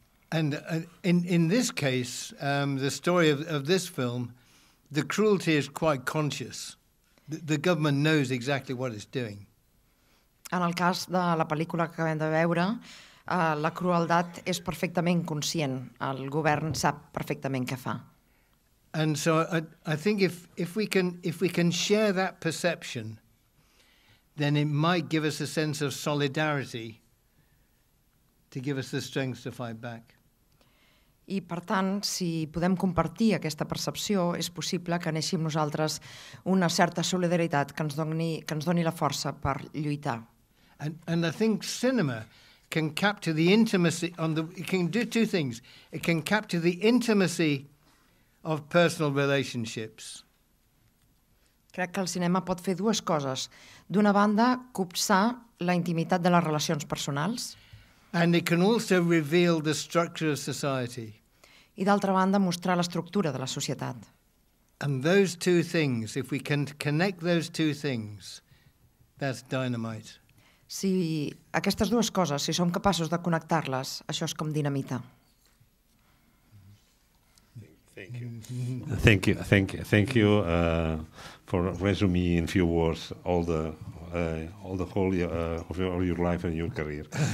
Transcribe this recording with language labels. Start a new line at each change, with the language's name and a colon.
English: And in this case, the story of this film, the cruelty is quite conscious. The government knows exactly what it's doing.
Catalan: En el cas de la pel·lícula que acabem de veure, la crueltat és perfectament conscient. El govern sap perfectament què fa.
English: And so I think if we can share that perception, then it might give us a sense of solidarity to give us the strength to fight back.
Catalan: I per tant, si podem compartir aquesta percepció, és possible que neixi en nosaltres una certa solidaritat que ens doni la força per lluitar.
English: And I think cinema can capture the intimacy on the it can do two things. It can capture the intimacy of personal relationships.
Catalan: Crec que el cinema pot fer dues coses. D'una banda, copsar la intimitat de les relacions personals.
English: And it can also reveal the structure of society.
Catalan: I d'altra banda, mostrar l'estructura de la societat.
English: And those two things, if we can connect those two things, that's dynamite.
Catalan: Si aquestes dues coses, si som capaços de connectar-les, això és com dinamita.
English: Thank you for resuming in few words all the whole of your life and your career.